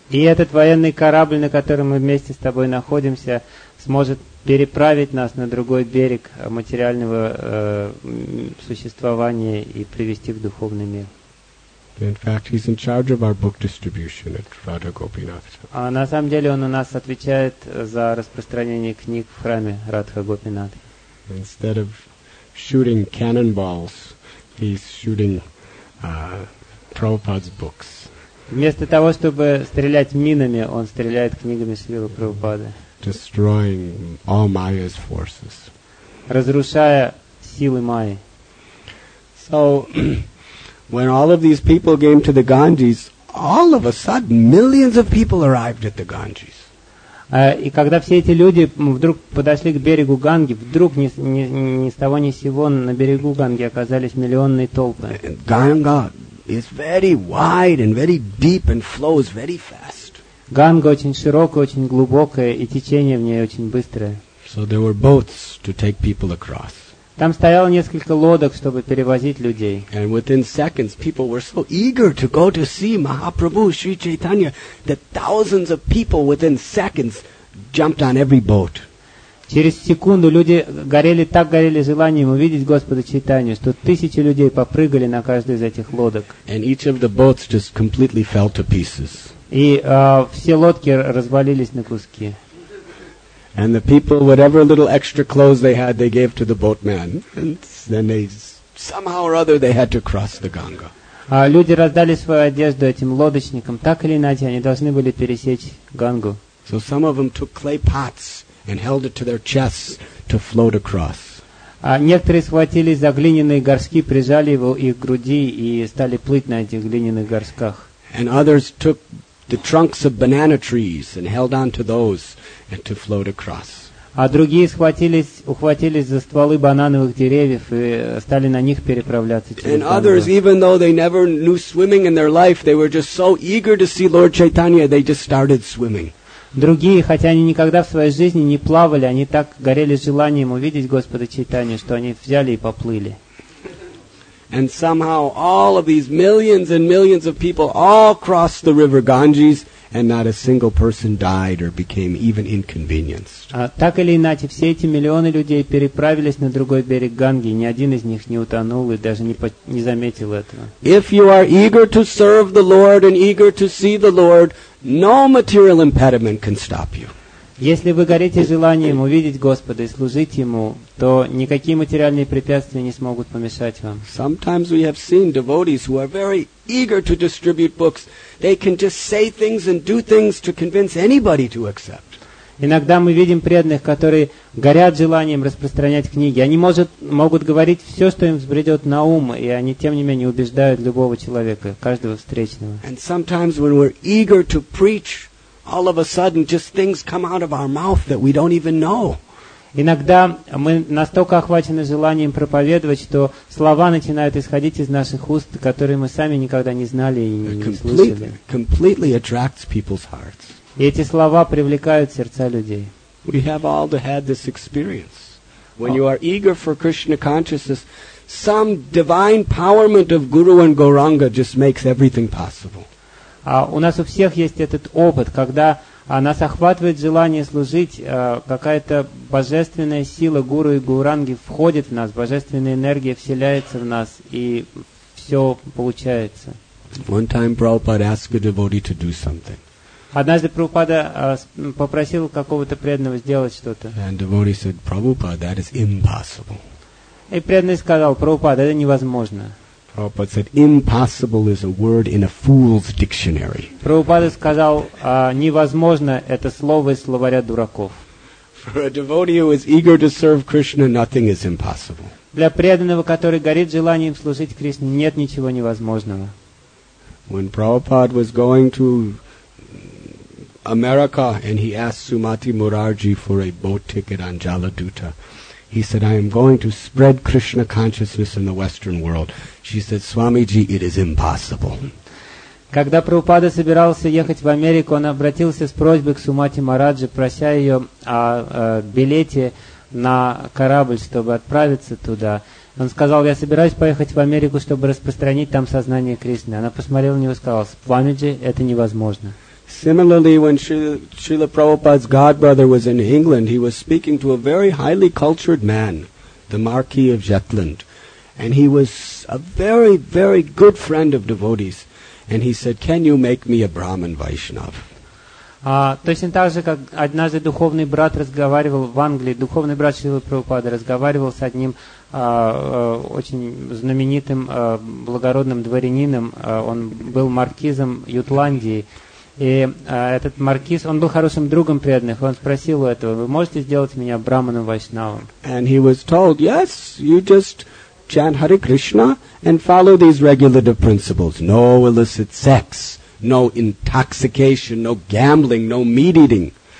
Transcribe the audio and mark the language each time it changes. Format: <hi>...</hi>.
<ru>И этот военный корабль, на котором мы вместе с тобой находимся, сможет переправить нас на другой берег материального существования и привести в духовный мир.</ru> <en>In fact, he's in charge of our book distribution at Radha Gopinath.</en> <ru>А на самом деле он у нас отвечает за распространение книг в храме Радха Гопинат.</ru> <en>Instead of shooting cannonballs, he's shooting Prabhupada's books.</en> <ru>Вместо того, чтобы стрелять минами, он стреляет книгами Шрилы Прабхупады.</ru> <en>Destroying all Maya's forces.</en> <ru>Разрушая силы Майи.</ru> <en>So when all of these people came to the Ganges, all of a sudden millions of people arrived at the Ganges.</en> <ru>И когда все эти люди вдруг подошли к берегу Ганги, вдруг ни с того ни с сего на берегу Ганги оказались миллионные толпы.</ru> <en>Ganga is very wide and very deep and flows very fast.</en> <ru>Ганга очень широкая, очень глубокая, и течение в ней очень быстрое.</ru> <en>So there were boats to take people across.</en> <ru>Там стояло несколько лодок, чтобы перевозить людей.</ru> <en>And within seconds, people were so eager to go to see Mahaprabhu, Sri Chaitanya, that thousands of people within seconds jumped on every boat.</en> <ru>Через секунду люди горели, так горели желанием увидеть Господа Чайтанью, что тысячи людей попрыгали на каждую из этих лодок.</ru> <en>And each of the boats just completely fell to pieces.</en> <ru>И все лодки развалились на куски.</ru> <en>And the people, whatever little extra clothes they had, they gave to the boatman. And then they, somehow or other, they had to cross the Ganga.</en> <ru>Люди раздали свою одежду этим лодочникам. Так или иначе, они должны были пересечь Гангу.</ru> <en>So some of them took clay pots and held it to their chests to float across.</en> <ru>Некоторые схватились за глиняные горшки, прижали его к груди и стали плыть на этих глиняных горшках.</ru> <en>And others took the trunks of banana trees and held on to those and to float across.</en> <ru>А другие ухватились за стволы банановых деревьев и стали на них переправляться через Гангу.</ru> <en>And others, even though they never knew swimming in their life, they were just so eager to see Lord Chaitanya, they just started swimming.</en> <ru>Другие, хотя они никогда в своей жизни не плавали, они так горели желанием увидеть Господа Чайтанью, что они взяли и поплыли.</ru> <en>And somehow all of these millions and millions of people all crossed the river Ganges, and not a single person died or became even inconvenienced.</en> <ru>Так или иначе, все эти миллионы людей переправились на другой берег Ганги, ни один из них не утонул и даже не заметил этого.</ru> <en>If you are eager to serve the Lord and eager to see the Lord, no material impediment can stop you.</en> <ru>Если вы горите желанием увидеть Господа и служить Ему, то никакие материальные препятствия не смогут помешать вам.</ru> <en>Sometimes we have seen devotees who are very eager to distribute books. They can just say things and do things to convince anybody to accept.</en> <ru>Иногда мы видим преданных, которые горят желанием распространять книги. Они могут говорить все, что им взбредет на ум, и они, тем не менее, убеждают любого человека, каждого встречного.</ru> <en>And sometimes when we're eager to preach, all of a sudden, just things come out of our mouth that we don't even know.</en> <ru>Иногда мы настолько охвачены желанием проповедовать, что слова начинают исходить из наших уст, которые мы сами никогда не знали и не слышали.</ru> <en>Completely attracts people's hearts.</en> <ru>И эти слова привлекают сердца людей.</ru> <en>We have all had this experience. When you are eager for Krishna consciousness, some divine powerment of Guru and Gauranga just makes everything possible.</en> <ru>У нас у всех есть этот опыт, когда нас охватывает желание служить, какая-то божественная сила Гуру и Гуранги входит в нас, божественная энергия вселяется в нас, и все получается.</ru> <en>One time Prabhupada asked a devotee to do something.</en> <ru>Однажды Прабхупада попросил какого-то преданного сделать что-то.</ru> <en>And devotee said, Prabhupada, that is impossible.</en> <ru>И преданный сказал, Прабхупада, это невозможно.</ru> <en>Prabhupada said, impossible is a word in a fool's dictionary.</en> <ru>Prabhupada сказал, невозможно – это слово из словаря дураков.</ru> <en>For a devotee who is eager to serve Krishna, nothing is impossible.</en> <ru>Для преданного, который горит желанием служить Кришне, нет ничего невозможного.</ru> <en>When Prabhupada was going to America and he asked Sumati Murarji for a boat ticket on Jaladuta, he said, I am going to spread Krishna consciousness in the Western world. She said, Swamiji, it is impossible.</en> <ru>Когда Прабхупада собирался ехать в Америку, он обратился с просьбой к Сумати Мараджи, прося ее о билете на корабль, чтобы отправиться туда. Он сказал, я собираюсь поехать в Америку, чтобы распространить там сознание Кришны. Она посмотрела на него и сказала, Свамиджи, это невозможно.</ru> <en>Similarly, when Srila Prabhupada's godbrother was in England, he was speaking to a very highly cultured man, the Marquis of Jutland. And he was a very, very good friend of devotees. And he said, can you make me a Brahmin Vaishnav?</en> <ru>Точно так же, как однажды духовный брат разговаривал в Англии, духовный брат Шрилы Прабхупады разговаривал с одним очень знаменитым благородным дворянином. Он был маркизом Ютландии. И этот маркиз, он был хорошим другом преданных, он спросил у этого, вы можете сделать меня Брахманом Вайшнавом?</ru> <en>And he was told, yes, you just chant Hare Krishna and follow these regulative principles. No illicit sex, no intoxication, no gambling, no meat eating.</en>